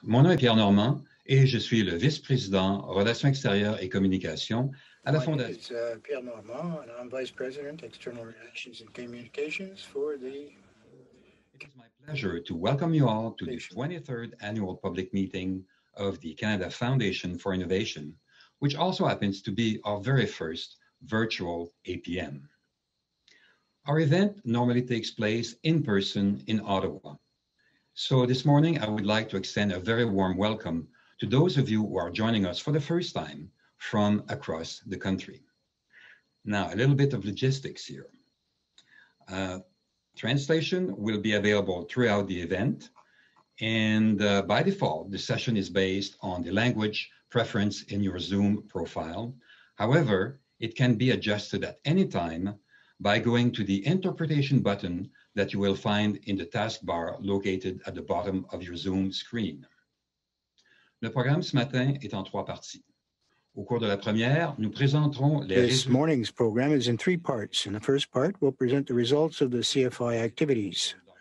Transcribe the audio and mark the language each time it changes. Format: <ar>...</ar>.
<fr>Mon nom est Pierre Normand et je suis le vice-président Relations extérieures et communication à la Fondation.</fr> <en>My name is Pierre Normand, and I'm vice president External Relations and Communications for the. It is my pleasure to welcome you all to the 23rd annual public meeting of the Canada Foundation for Innovation, which also happens to be our very first virtual APM. Our event normally takes place in person in Ottawa. So this morning, I would like to extend a very warm welcome to those of you who are joining us for the first time from across the country. Now, a little bit of logistics here. Translation will be available throughout the event. And by default, the session is based on the language preference in your Zoom profile. However, it can be adjusted at any time by going to the interpretation button that you will find in the taskbar located at the bottom of your Zoom screen.</en> <fr>Le programme ce matin est en trois parties. Au cours de la première, nous présenterons les</fr> <en>résultats. This morning's program is in three parts. In the first part, we'll present the results of the CFI activities.</en>